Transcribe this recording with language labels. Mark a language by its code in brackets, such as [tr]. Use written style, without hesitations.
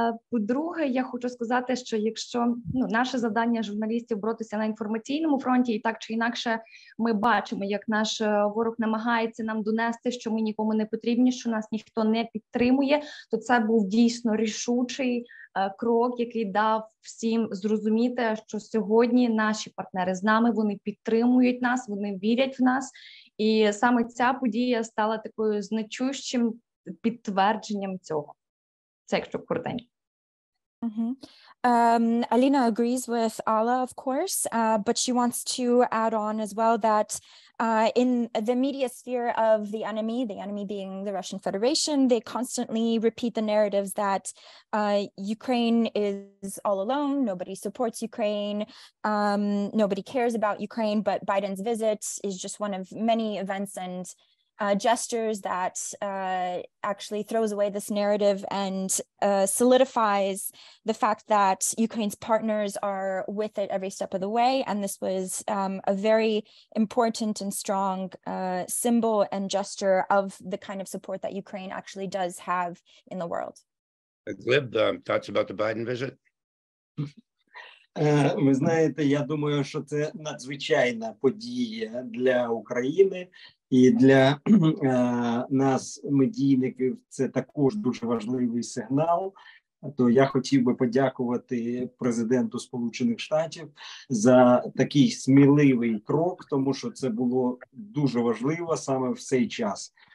[uk] По-друге, я хочу сказати, що якщо наше завдання журналістів боротися на інформаційному фронті, і так чи інакше ми бачимо, як наш ворог намагається нам донести, що ми нікому не потрібні, що нас ніхто не підтримує, то це був дійсно рішучий крок, який дав всім зрозуміти, що сьогодні наші партнери з нами, вони підтримують нас, вони вірять в нас. І саме ця подія стала такою значущим підтвердженням цього. Це якщо коротень. [en] Alina agrees with Alla, of course, but she wants to add on as well that in the media sphere of the enemy being the Russian Federation, they constantly repeat the narratives that Ukraine is all alone, nobody supports Ukraine, nobody cares about Ukraine, but Biden's visit is just one of many events and gestures that actually throws away this narrative and solidifies the fact that Ukraine's partners are with it every step of the way. And this was a very important and strong symbol and gesture of the kind of support that Ukraine actually does have in the world. Glib, thoughts about the Biden visit? [uk] Ви знаєте, я думаю, що це надзвичайна подія для України. І для нас, медійників, це також дуже важливий сигнал. То я хотів би подякувати президенту Сполучених Штатів за такий сміливий крок, тому що це було дуже важливо саме в цей час.